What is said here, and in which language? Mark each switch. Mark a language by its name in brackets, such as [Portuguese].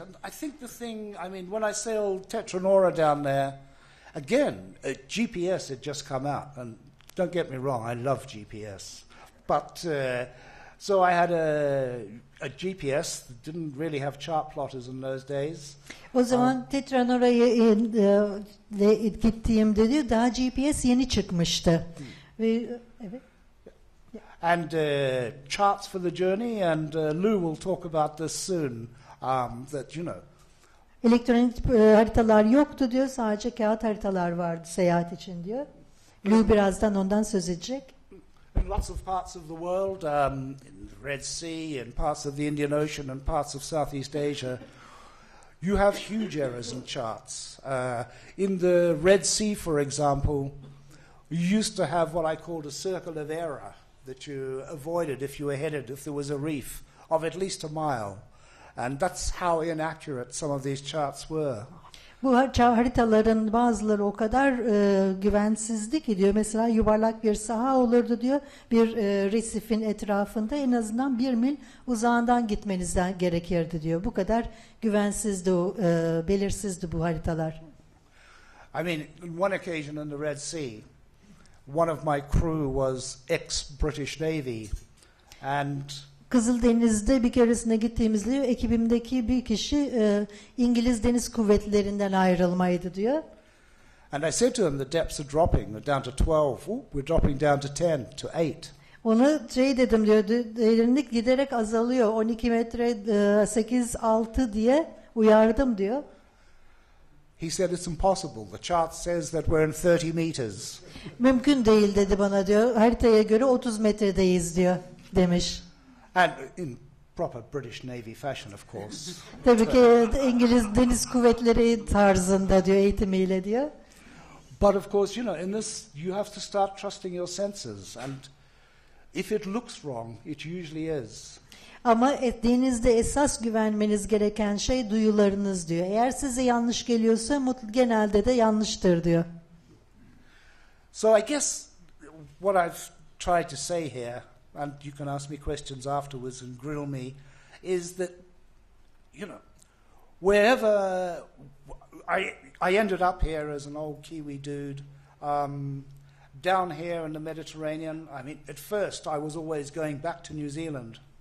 [English] And I think the thing, I mean, when I sailed Tetranora down there, again, GPS had just come out, and don't get me wrong, I love GPS, but so I had a GPS that didn't really have chart plotters in those days. [Turkish] O zaman Tetranora'ya gittiğimde diyor, daha GPS yeni çıkmıştı. [English] And charts for the journey, and Lou will talk about this soon. That you know. [Turkish] Elektronik haritalar yoktu diyor, sadece kağıt haritalar vardı seyahat için diyor. Lou birazdan ondan söz edecek. [English] In lots of parts of the world, in the Red Sea, in parts of the Indian Ocean, and parts of Southeast Asia, you have huge errors in charts. In the Red Sea, for example, you used to have what I called a circle of error that you avoided if you were headed, if there was a reef, of at least a mile. And that's how inaccurate some of these charts were. [Turkish] Bu haritaların bazıları o kadar güvensizdi ki diyor. Mesela yuvarlak bir saha olurdu diyor. Bir resifin etrafında en azından bir mil uzağından gitmeniz gerekirdi diyor. Bu kadar güvensizdi, belirsizdi bu haritalar. [English] I mean, one occasion in the Red Sea, one of my crew was ex-British Navy and... [Turkish] Kızıldeniz'de bir keresine gittiğimiz diyor, ekibimdeki bir kişi İngiliz Deniz Kuvvetleri'nden ayrılmaydı diyor. [English] And I said to him, the depths are dropping, we're down to 12, ooh, we're dropping down to 10, to 8. [Turkish] Ona şey dedim diyor, derinlik giderek azalıyor, 12 metre, 8, 6 diye uyardım diyor. [English] He said it's impossible, the chart says that we're in 30 meters. [Turkish] Mümkün değil dedi bana diyor, haritaya göre 30 metredeyiz diyor demiş. [English] And in proper British Navy fashion, of course. [Turkish] Tabii ki İngiliz Deniz Kuvvetleri tarzında diyor, eğitimiyle diyor. [English] But of course, you know, in this you have to start trusting your senses, and if it looks wrong, it usually is. [Turkish] Ama denizde esas güvenmeniz gereken şey duyularınız diyor. Eğer size yanlış geliyorsa genelde de yanlıştır diyor. [English] So I guess what I've tried to say here, and you can ask me questions afterwards and grill me, is that, you know, wherever I ended up here as an old Kiwi dude, down here in the Mediterranean, I mean, at first I was always going back to New Zealand.